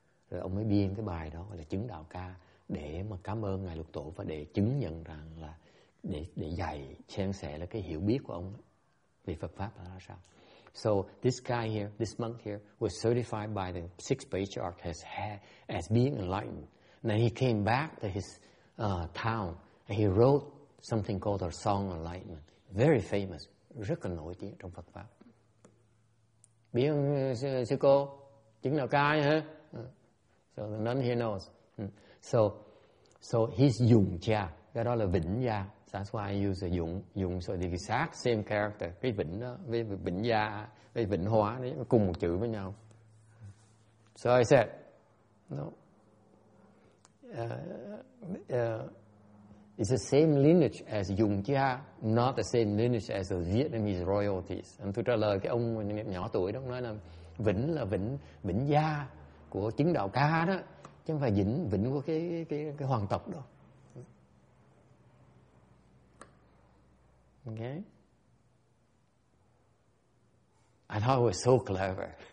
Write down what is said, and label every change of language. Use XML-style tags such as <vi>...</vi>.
<vi>Rồi ông mới biên cái bài đó gọi là chứng đạo ca để mà cảm ơn ngài luật tổ và để chứng nhận rằng là để dạy chia sẻ là cái hiểu biết của ông đó. Về Phật pháp là sao.</vi> <en>So this guy here, this monk here was certified by the sixth patriarch as being enlightened. And then he came back to his town and he wrote something called the Song of Enlightenment. Very famous,</en> <vi>rất là nổi tiếng trong Phật pháp. Biết ông sư cô chứng đạo ca nhá.</vi> <en>So then he knows. So he's Dung Cha.</en> <vi>Cái đó là Vĩnh Gia.</vi> <en>That's why I use Dung. Dung so the exact same character.</en> <vi>Cái Vĩnh đó, với Vĩnh Gia, với Vĩnh Hóa đấy, cùng một chữ với nhau.</vi> <en>So I said, no. It's the same lineage as Dung Cha, not the same lineage as the Vietnamese royalties.</en> <vi>And tôi trả lời cái ông nhỏ tuổi đó, ông nói là Vĩnh Vĩnh Gia của chứng đạo ca đó, chứ không phải Vĩnh Vĩnh của cái hoàng tộc đâu.</vi> <en>Okay. I thought it was so clever.</en>